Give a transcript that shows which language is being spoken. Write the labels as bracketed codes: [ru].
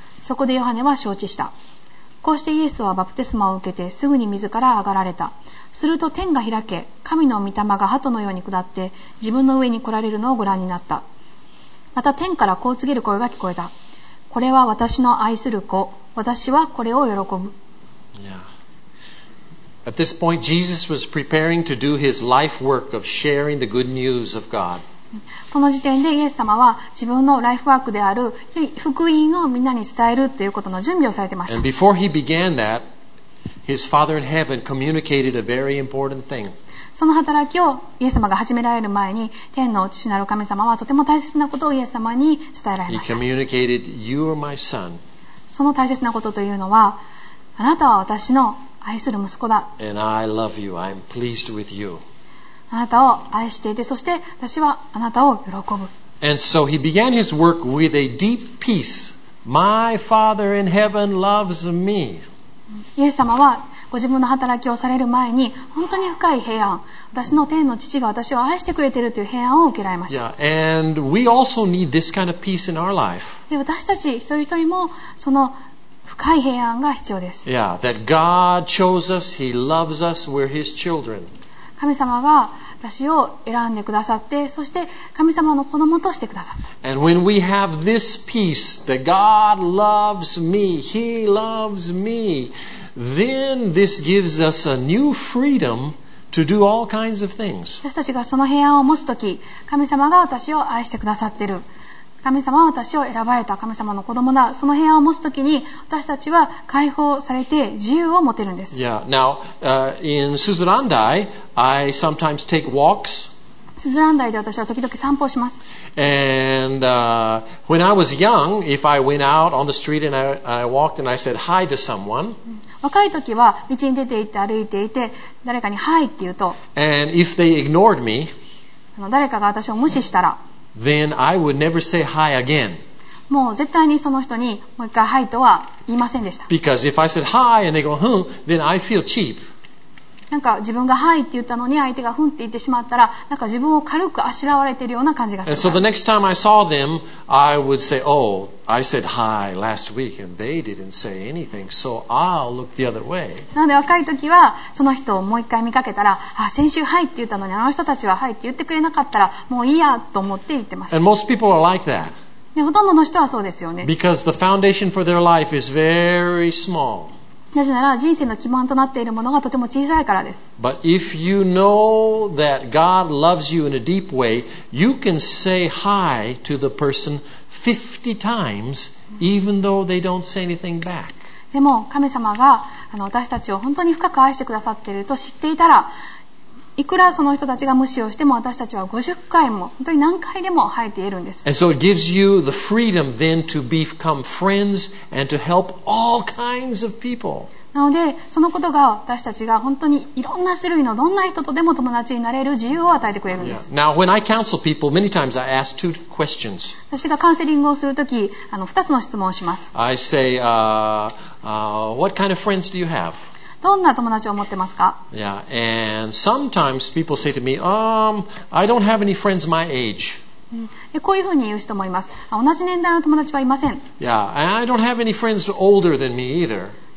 [ja] そこでヨハネは承知した。こうしてイエスはバプテスマを受けてすぐに水から上がられた。すると天が開け、神の御霊が鳩のように下って自分の上に来られるのをご覧になった。また天からこう告げる声が聞こえた。これは私の愛する子、私はこれを喜ぶ。 [en] At this point, Jesus was preparing to do his life work of sharing the good news of God. [ja] この時点でイエス様は自分のライフワークである福音をみんなに伝えるということの準備をされていました。 [en] And before he began that, his Father in heaven communicated a very important thing. [ja] その働きをイエス様が始められる前に、天の父なる神様はとても大切なことをイエス様に伝えられました。 [en] He communicated, "You are my son." [ja] その大切なことというのは、あなたは私の愛する息子だ。 [en] And I love you. I'm pleased with you. [ja] あなたを愛していて、そして私はあなたを喜ぶ。 [en] And so he began his work with a deep peace. My Father in heaven loves me. [ja] イエス様はご自分の働きをされる前に本当に深い平安、私の天の父が私を愛してくれているという平安を受けられました。 [en] Yeah, and we also need this kind of peace in our life. [ja] で、私たち一人一人もその深い平安が必要です。 [en] Yeah, that God chose us, He loves us, we're His children. [ja] 神様が私を選んでくださって、そして神様の子供としてくださった。 [en] And when we have this peace, that God loves me, He loves me, then this gives us a new freedom to do all kinds of things. [ja] 私たちがその平安を持つとき、神様が私を愛してくださってる、神様は私を選ばれた、神様の子供だ、その平安を持つときに私たちは解放されて自由を持てるんです。 [en] Yeah. Now, in Suzurandai, I sometimes take walks. [ja] Suzurandai で私は時々散歩をします。 [en] And when I was young, if I went out on the street and I walked and I said hi to someone. [ja] 若い時は道に出て行って歩いていて、誰かにはいって言うと。 [en] And if they ignored me. [ja] 誰かが私を無視したら。 [en] Then I would never say hi again. [ja] もう絶対にその人にもう一回はいとは言いませんでした。 [en] Because if I said hi and they go hmm, then I feel cheap. [ja] なんか自分がはいって言ったのに相手がふんって言ってしまったら、なんか自分を軽くあしらわれているような感じがする。 [en] And so the next time I saw them, I would say, oh, I said hi last week and they didn't say anything, so I'll look the other way. [ja] なので若い時はその人をもう一回見かけたら、あ、先週はいって言ったのにあの人たちははいって言ってくれなかったらもういいやと思って言ってました。 [en] And most people are like that. [ja] で、ほとんどの人はそうですよね。 [en] Because the foundation for their life is very small. [ja] なぜなら人生の基盤となっているものがとても小さいからです。 [en] But if you know that God loves you in a deep way, you can say hi to the person 50 times, even though they don't say anything back. [ja] でも神様が私たちを本当に深く愛してくださっていると知っていたら、いくらその人たちが無視をしても私たちは50回も本当に何回でも生えているんです。 [en] And so it gives you the freedom then to become friends and to help all kinds of people. [ja] なのでそのことが私たちが本当にいろんな種類のどんな人とでも友達になれる自由を与えてくれるんです。 [en] Now when I counsel people, many times I ask two questions. [ja] 私がカウンセリングをするとき2つの質問をします。 [en] I say, what kind of friends do you have? [ja] どんな友達を持ってますか? [en] Yeah, and sometimes people say to me, I don't have any friends my age. [ja] こういうふうに言う人もいます。同じ年代の友達はいません。 [en] Yeah, and I don't have any friends older than me either.